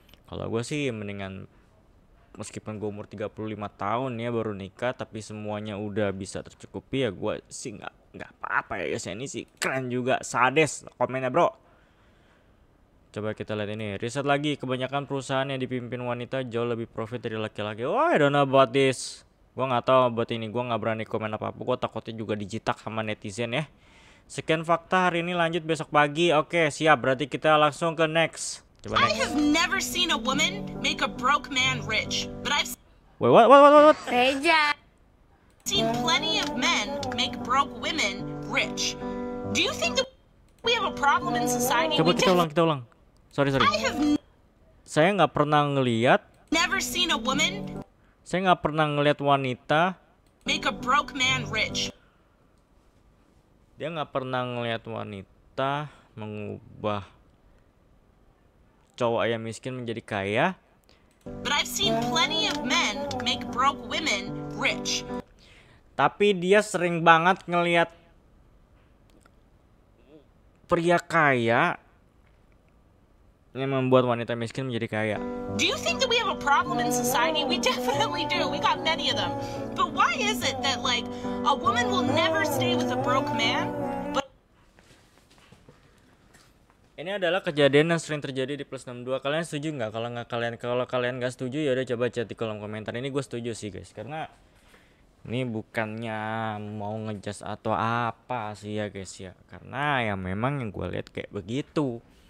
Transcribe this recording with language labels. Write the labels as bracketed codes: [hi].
[id] Kalau gue sih mendingan, meskipun gue umur 35 tahun ya baru nikah tapi semuanya udah bisa tercukupi, ya gue sih gak apa-apa ya guys. Ini sih keren juga, sadis komennya bro. Coba kita lihat ini, riset lagi, kebanyakan perusahaan yang dipimpin wanita jauh lebih profit dari laki-laki. [en] Oh, I don't know about this. [id] Gua gak tahu [en] about [id] ini, gua gak berani komen apa-apa, gua takutnya juga dijitak sama netizen ya. Sekian fakta hari ini, lanjut besok pagi. Oke, siap, berarti kita langsung ke next. Coba [en] next. I have never seen a woman make a broke man rich, but I've seen... Wait, what? Reja. I've seen plenty of men make broke women rich. Do you think we have a problem in society? [id] Coba kita ulang. [en] Sorry. [id] Saya nggak pernah ngelihat. [en] Never seen a woman. [id] Saya nggak pernah ngelihat wanita. [en] Make a broke man rich. [id] Dia nggak pernah ngelihat wanita mengubah cowok yang miskin menjadi kaya. [en] But I've seen plenty of men make broke women rich. [id] Tapi dia sering banget ngelihat pria kaya yang membuat wanita miskin menjadi kaya. [en] Do you think that we have a problem in society? We definitely do. We got many of them. But why is it that like a woman will never stay with a broke man? But... [id] Ini adalah kejadian yang sering terjadi di plus 62. Kalian setuju nggak? Kalau kalian nggak setuju, ya udah coba chat di kolom komentar. Ini gue setuju sih guys, karena ini bukannya mau ngejudge atau apa sih ya guys ya. Karena ya memang yang gue lihat kayak begitu.